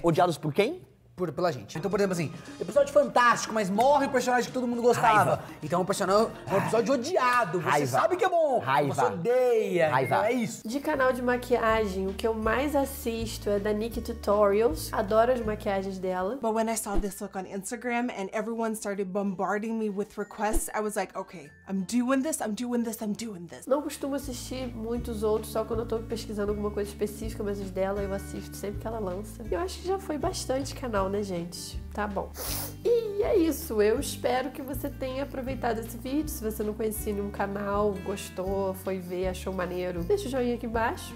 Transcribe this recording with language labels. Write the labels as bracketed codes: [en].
[pt] Odiados por quem? Pela gente. Então, por exemplo, assim, episódio fantástico, mas morre o personagem que todo mundo gostava. Raiva. Então, um episódio odiado. Você raiva. Sabe que é bom. Raiva. Você odeia. Raiva. É isso. De canal de maquiagem, o que eu mais assisto é da Nikki Tutorials. Adoro as maquiagens dela. [en] But when I saw this look on Instagram and everyone started bombarding me with requests, I was like, okay, I'm doing this. [pt] Não costumo assistir muitos outros, só quando eu tô pesquisando alguma coisa específica, mas os dela eu assisto sempre que ela lança. E eu acho que já foi bastante canal. Né, gente? Tá bom. E é isso. Eu espero que você tenha aproveitado esse vídeo. Se você não conhecia nenhum canal, gostou, foi ver, achou maneiro, deixa o joinha aqui embaixo.